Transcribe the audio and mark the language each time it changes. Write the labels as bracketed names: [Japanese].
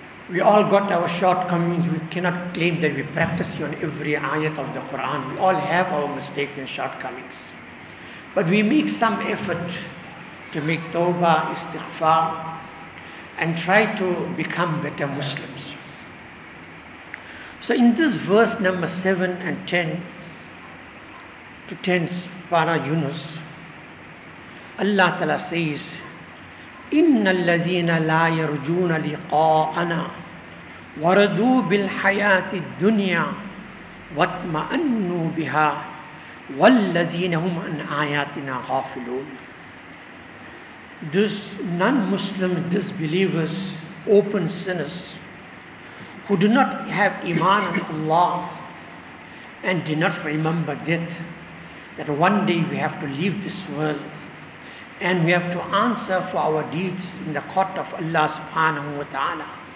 [English] We all got our shortcomings. We cannot claim that we practice on every ayat of the Quran. We all have our mistakes and shortcomings. But we make some effort to make tawbah, istighfar, and try to become better Muslims. So in this verse number 7 and 10, to 10, Para Yunus, Allah Ta'ala says, [Arabic] إِنَّ الَّذِينَ لَا يَرْجُونَ لِقَاءَنَا وَرَدُوا بِالْحَيَاةِ الدُّنْيَا وَاتْمَأَنُّوا بِهَا وَالَّذِينَ هُمْ عَنْ آيَاتِنَا غَافِلُونَ. [English] These non-Muslim disbelievers, open sinners, who do not have iman in Allah and do not remember death, that one day we have to leave this world and we have to answer for our deeds in the court of Allah subhanahu wa ta'ala.